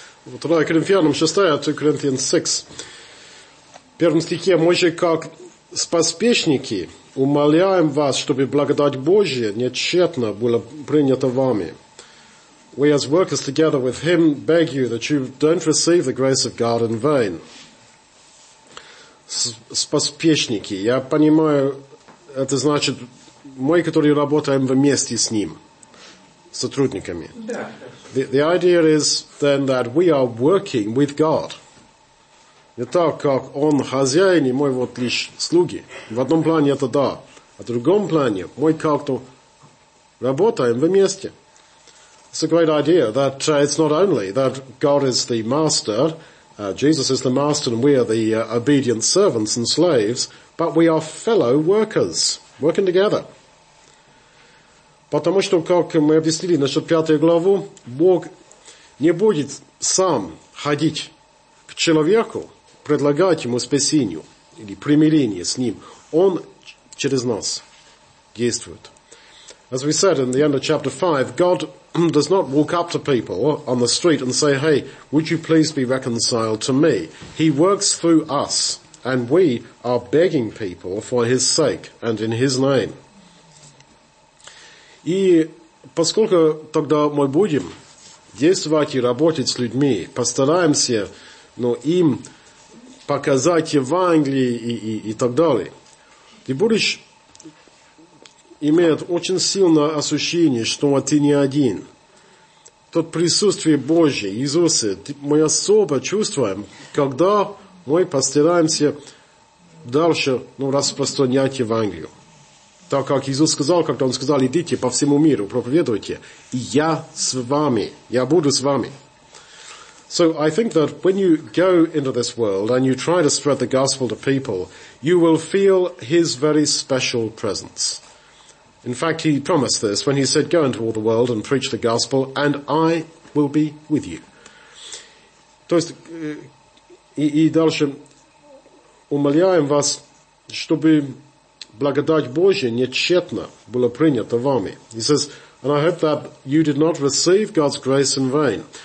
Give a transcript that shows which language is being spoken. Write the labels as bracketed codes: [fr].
[ru] 2 Коринфянам 6, 2 Коринфянам 6, в первом стихе: «Мы же как спаспечники умоляем вас, чтобы благодать Божия не тщетно была принята вами». [en] We as workers together with him beg you that you don't receive the grace of God in vain. [ru] Спаспечники. Я понимаю, это значит мы, которые работаем вместе с ним, сотрудниками. [en] The idea is then that we are working with God. [ru] Не так, как он хозяин, и мы вот лишь слуги. В одном плане это да. А в другом плане мы как-то работаем вместе. [en] It's a great idea that it's not only that God is the master, Jesus is the master, and we are the obedient servants and slaves, but we are fellow workers, working together. [ru] Потому что, как мы объяснили насчет 5 главу, Бог не будет сам ходить к человеку, предлагать ему спасение или примирение с ним. Он через нас действует. [en] As we said in the end of chapter 5, God does not walk up to people on the street and say, hey, would you please be reconciled to me? He works through us, and we are begging people for his sake and in his name. [ru] И поскольку тогда мы будем действовать и работать с людьми, постараемся, ну, им показать Евангелие и так далее, ты будешь имеет очень сильное ощущение, что ты не один. Тот присутствие Божье, Иисусе, мы особо чувствуем, когда мы постараемся дальше, ну, распространять Евангелие. Так как Иисус сказал, когда он сказал, идите по всему миру, проповедуйте, и я с вами, я буду с вами. [en] So I think that when you go into this world and you try to spread the gospel to people, you will feel his very special presence. In fact, he promised this when he said, go into all the world and preach the gospel, and I will be with you. [ru] То есть, и дальше, умоляем вас, чтобы благодать Божия не тщетно была принята вами. [en] He says, and I hope that you did not receive God's grace in vain.